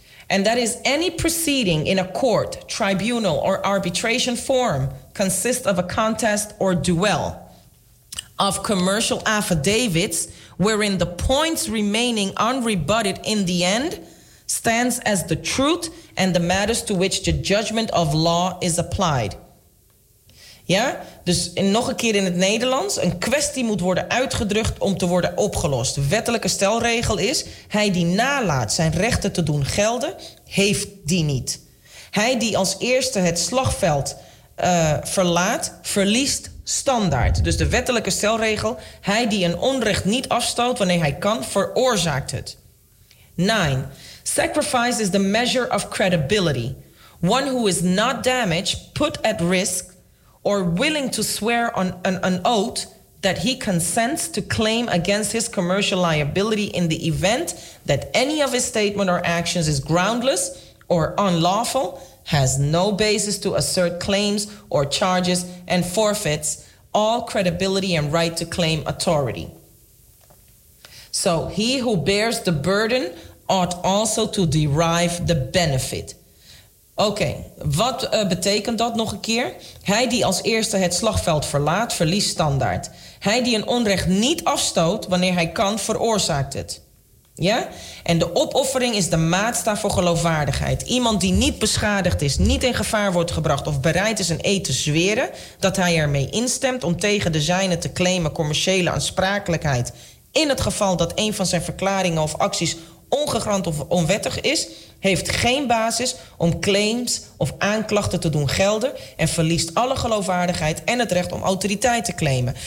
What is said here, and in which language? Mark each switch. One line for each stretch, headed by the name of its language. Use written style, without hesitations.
English: And that is any proceeding in a court, tribunal, or arbitration forum consists of a contest or duel of commercial affidavits wherein the points remaining unrebutted in the end stands as the truth and the matters to which the judgment of law is applied.
Dutch: Ja, dus nog een keer in het Nederlands. Een kwestie moet worden uitgedrukt om te worden opgelost. Wettelijke stelregel is, hij die nalaat zijn rechten te doen gelden, heeft die niet. Hij die als eerste het slagveld verlaat, verliest standaard. Dus de wettelijke stelregel, hij die een onrecht niet afstoot wanneer hij kan, veroorzaakt het.
English: 9. Sacrifice is the measure of credibility. One who is not damaged, put at risk, or willing to swear on an oath that he consents to claim against his commercial liability in the event that any of his statement or actions is groundless or unlawful, has no basis to assert claims or charges, and forfeits all credibility and right to claim authority. So he who bears the burden ought also to derive the benefit.
Dutch: Oké, wat betekent dat nog een keer? Hij die als eerste het slagveld verlaat, verliest standaard. Hij die een onrecht niet afstoot, wanneer hij kan, veroorzaakt het. Ja? En de opoffering is de maatstaf voor geloofwaardigheid. Iemand die niet beschadigd is, niet in gevaar wordt gebracht of bereid is een eed te zweren, dat hij ermee instemt om tegen de zijne te claimen commerciële aansprakelijkheid in het geval dat een van zijn verklaringen of acties ongegrond of onwettig is, heeft geen basis om claims of aanklachten te doen gelden en verliest alle geloofwaardigheid en het recht om autoriteit te claimen.